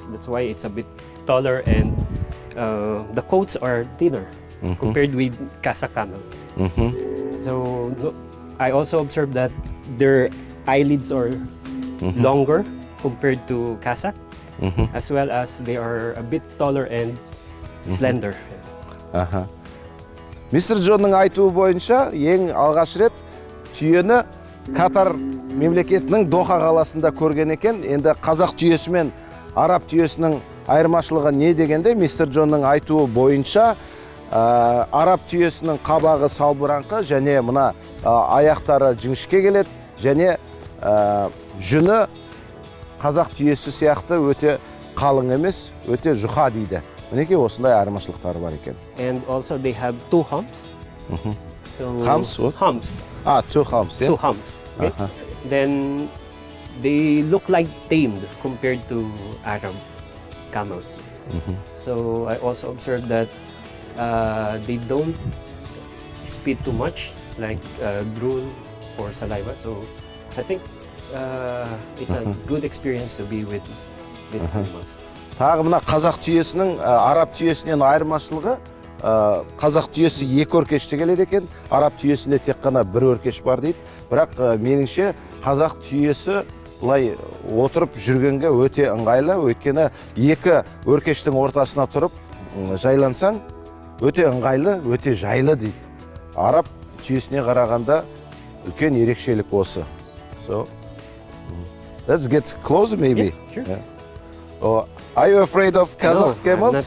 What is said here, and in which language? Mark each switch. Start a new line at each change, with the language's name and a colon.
English: That's why it's a bit taller and the coats are thinner compared with Khasa camel. Mm-hmm. So I also observed that they're eyelids are longer compared to Kasak, as well as they are a bit taller and slender. Mr.
Kazakh: John-ның айтуы бойынша, ең алғаш рет түйені Катар мемлекетінің Доха қаласында көрген екен. Енді қазақ түйесі мен араб түйесінің айырмашылығы не дегенде, Mr. John-ның айтуы бойынша, араб түйесінің қабағы салбыраңқы және мына аяқтары жіңішке келеді және жүні қазақ түйесі сияқты өте қалың емес, өте жұқа дейді. Мінекей осындай айырмашылықтары бар екен.
English: And also they have two humps. So humps what? Humps. Two humps, yeah. Two humps. Okay? Then they look like tamed compared to Arab camels. So I also observed that they don't spit too much like drool or saliva. So I think it's a good experience to be with these animals.
Kazakh: Тағы мына қазақ түйесінің араб түйесінен айырмашылығы, қазақ түйесі екі өркешті келеді екен, араб түйесінде тек қана бір өркеш бар дейді. Бірақ меніңше қазақ түйесі лай отырып жүргенге өте ыңғайлы, өйткені екі өркештің ортасына тұрып жайлансаң өте ыңғайлы, өте жайлы дейді. Араб түйесіне қарағанда үлкен ерекшелік осы.
English: So, let's get closer maybe. Yeah, sure. Yeah. Oh, are you afraid of Kazakh camels?